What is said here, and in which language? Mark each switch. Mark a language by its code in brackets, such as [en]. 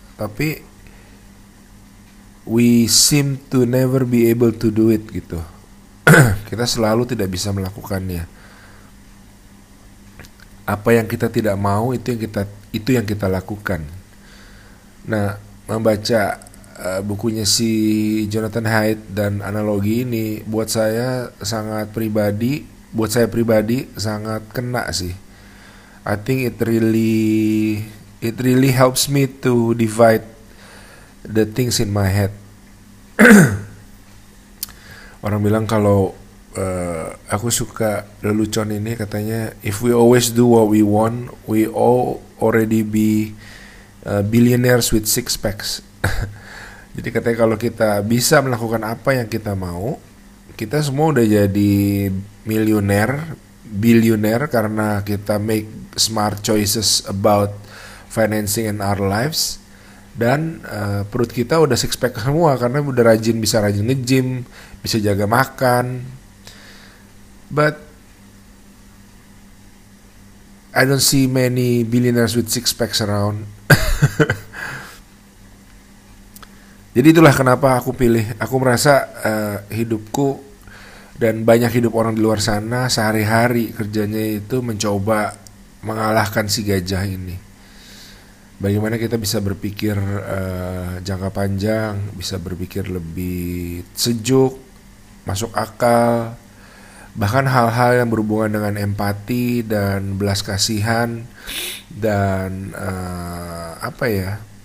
[id] Tapi [en] we seem to never be able to do it [id] gitu. Kita selalu tidak bisa melakukannya. Apa yang kita tidak mau itu yang kita lakukan. Nah, membaca bukunya si Jonathan Haidt dan analogi ini buat saya sangat pribadi, buat saya pribadi sangat kena sih. [en] I think it really helps me to divide the things in my head. [id] Orang bilang kalau aku suka lelucon ini, katanya [en] if we always do what we want, we all already be billionaires with six packs. [id] Jadi katanya kalau kita bisa melakukan apa yang kita mau, kita semua udah jadi miliuner, billioner, karena kita [en] make smart choices about financing and our lives. [id] Dan perut kita udah six pack semua karena udah rajin, bisa rajin nge-gym, bisa jaga makan. [en] But I don't see many billionaires with six packs around. [id] Jadi itulah kenapa aku pilih. Aku merasa hidupku dan banyak hidup orang di luar sana sehari-hari kerjanya itu mencoba mengalahkan si gajah ini. Bagaimana kita bisa berpikir jangka panjang, bisa berpikir lebih sejuk, masuk akal, bahkan hal-hal yang berhubungan dengan empati dan belas kasihan dan apa ya?